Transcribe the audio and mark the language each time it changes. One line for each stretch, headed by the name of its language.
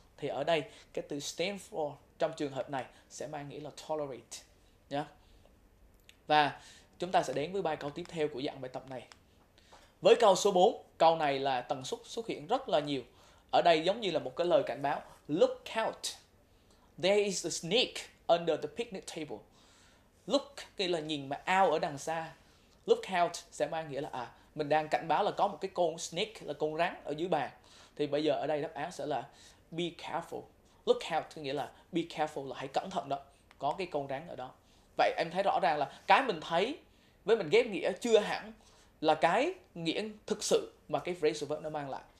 Vietnamese: Thì ở đây cái từ stand for trong trường hợp này sẽ mang nghĩa là tolerate nhá. Và chúng ta sẽ đến với bài câu tiếp theo của dạng bài tập này. Với câu số 4, câu này là tần suất xuất hiện rất là nhiều. Ở đây giống như là một cái lời cảnh báo.
English: Look out, there is a snake under the picnic table.
Vietnamese: Look nghĩa là nhìn, mà out ở đằng xa. Look out sẽ mang nghĩa là à, mình đang cảnh báo là có một cái con snake, là con rắn ở dưới bàn. Thì bây giờ ở đây đáp án sẽ là
English: be careful.
Vietnamese: Look out có nghĩa là be careful, là hãy cẩn thận đó, có cái con rắn ở đó. Vậy em thấy rõ ràng là cái mình thấy với mình ghép nghĩa chưa hẳn là cái nghĩa thực sự mà cái phrasal verb nó mang lại.